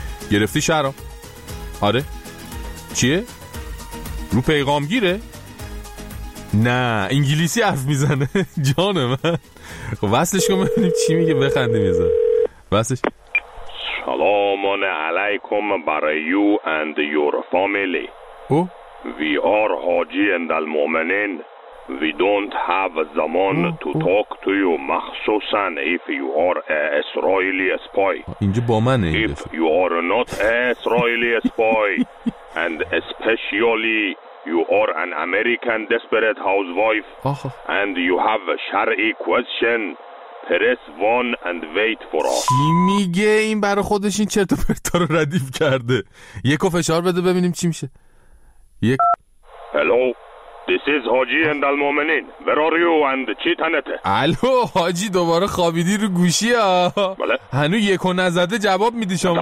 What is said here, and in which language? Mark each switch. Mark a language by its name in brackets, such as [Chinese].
[Persian] گرفتی شهرام؟ آره. چیه؟ رو پیغامگیره؟ نه انگلیسی حرف میزنه. جان من خب وصلش کن ببینیم چی میگه، بخنده میزن وصلش. سلام علیکم برای [English] You and your family. Oh we are حاجی اندلمومنین. We don't have [Persian] زمان [English] to talk to you, [Persian] مخصوصا [English] if you are a Israeli spy. [Persian] اینجا با منه. [English] If you are not a Israeli spy and especially you are an American desperate housewife and you have a Shari question, press 1 and wait for us. [Persian] چی میگه این؟ برای خودش این چرت و پرتا رو ردیف کرده. یکو فشار بده ببینیم چی میشه. یک. [English] Hello. This is Haji and Al-Mu'minin. Where are you and [Persian] چی تنته؟ الو حاجی دوباره خوابیدی رو گوشی ها؟ بله. هنو یکو نزده جواب میدی شما؟